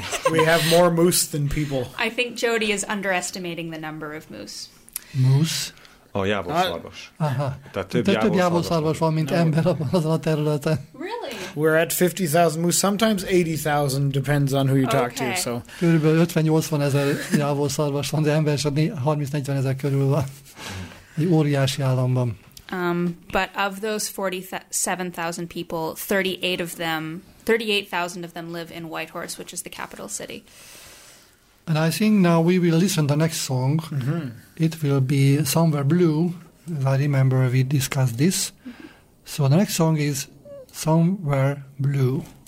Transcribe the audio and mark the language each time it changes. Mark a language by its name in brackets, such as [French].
[English] We have more moose than people. I think Jody is underestimating the number of moose. Moose? [Hungarian] Oh, jávorszarvas. Aha. Tehát több jávorszarvas van, mint ember abban az a területen. [English] Really? We're at 50,000 moose. Sometimes 80,000, depends on who you talk to. So. [Hungarian] Körülbelül 50-80 ezer jávorszarvas van, de ember 30-40 ezer körül van. Egy óriási államban. [English] But of those 47,000 people, 38,000 of them live in Whitehorse, which is the capital city. And I think now we will listen to the next song. Mm-hmm. It will be Somewhere Blue. I remember we discussed this. So the next song is Somewhere Blue.